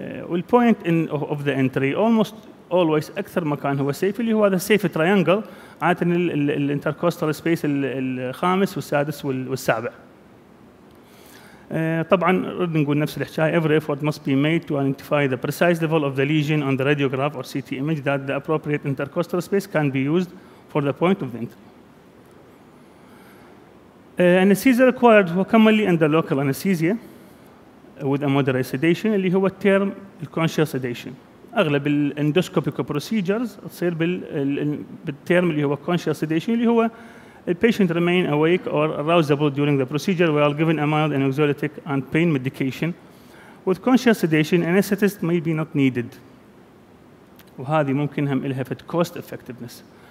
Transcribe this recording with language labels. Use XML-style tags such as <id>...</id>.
<en>والبوينت of the entry almost always</en> <ar>اكثر مكان هو</ar> <en>safe اللي هو the safe triangle, عادة الانتركوستال سبيس</en> <ar>الخامس والسادس والسابع. طبعا رد نقول نفس الحكايه،</ar> <en>every effort must be made to identify the precise level of the lesion on the radiograph or CT image that the appropriate intercostal space can be used for the point of the entry. Anesthesia required were commonly under local anesthesia with a moderate sedation اللي هو term conscious sedation. اغلب الاندوسكوبيك procedures تصير بالterm اللي هو conscious sedation اللي هو the patient remain awake or arousable during the procedure while given a mild anxiolytic and pain medication. With conscious sedation, anesthetist may be not needed.</en> <ar>وهذه ممكن هم إلها فت cost effectiveness.</ar>